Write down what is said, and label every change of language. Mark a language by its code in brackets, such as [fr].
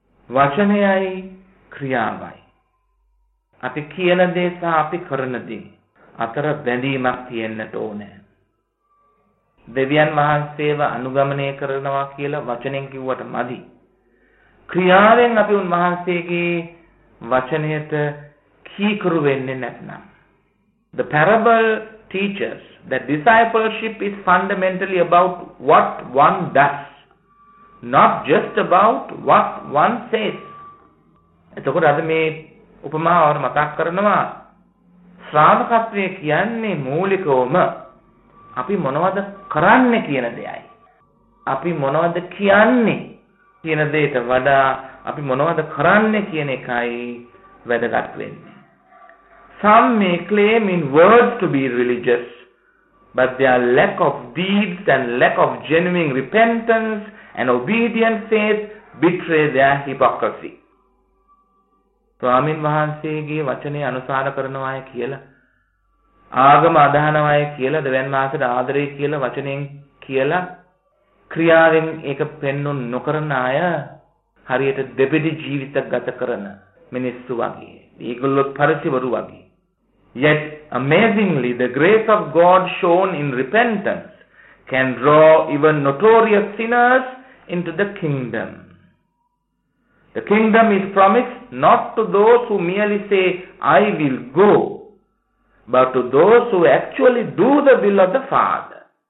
[si] වචනයයි ක්‍රියාවයි. අපි කියන දේ සහ අපි කරන දේ අතර බැඳීමක් තියෙන්නට ඕනේ. දෙවියන් වහන්සේව අනුගමනය කරනවා කියලා වචනෙන් කිව්වට මදි. ක්‍රියාවෙන් අපි උන් වහන්සේගේ වචනයට කීකරු වෙන්නේ නැත්නම්. [en] The parable teaches that discipleship is fundamentally about what one does, not just about what one says. [si] එතකොට අද මේ උපමාවර මතක් කරනවා, ශ්‍රාවකත්වය කියන්නේ මූලිකවම අපි මොනවද කරන්නේ කියන දෙයයි. අපි මොනවද කියන්නේ කියන දෙයට වඩා අපි මොනවද කරන්නේ කියන එකයි වැදගත් වෙන්නේ. [en] Some may claim in words to be religious, but their lack of deeds and lack of genuine repentance and obedient faith betray their hypocrisy. [si] ස්වාමීන් වහන්සේගේ වචනේ අනුසාර කරන අය කියලා, ආගම අදහන අය කියලා, දෙවන් මාසෙට ආදරේ කියලා වචනෙන් කියලා ක්‍රියාවෙන් ඒක පෙන්වන්න නොකරන අය හරියට දෙබිඩි ජීවිත ගත කරන මිනිස්සු වගේ, ඒගොල්ලොත් පරිසිවරු වගේ. [en] Yet amazingly the grace of God shown in repentance can draw even notorious sinners into the kingdom. The kingdom is promised not to those who merely say, I will go, but to those who actually do the will of the Father.